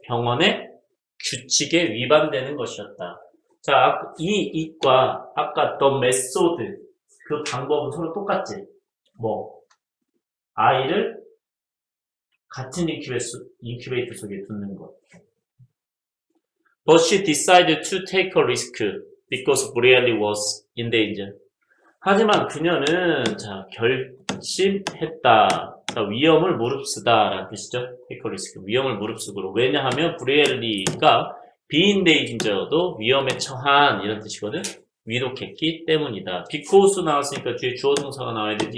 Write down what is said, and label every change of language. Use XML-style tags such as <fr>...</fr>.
<ko>병원의 규칙에 위반되는 것이었다. 자, 이 이과 아까</ko> <en>the method</en> <ko>그 방법은 서로 똑같지. 뭐 아이를 같은 인큐베이터 속에 두는 것.</ko> <en>But she decided to take a risk because Bradley was in danger.</en> <ko>하지만 그녀는 자 결심했다. 자, 위험을 무릅쓰다라는 뜻이죠.</ko> <en>Take a risk.</en> <ko>위험을 무릅쓰고. 왜냐하면 브레일리가</ko> <en>be in danger</en> <ko>도 위험에 처한 이런 뜻이거든. 위독했기 때문이다.</ko> <en>Because</en> <ko>나왔으니까 뒤에 주어 동사가 나와야 되지.</ko>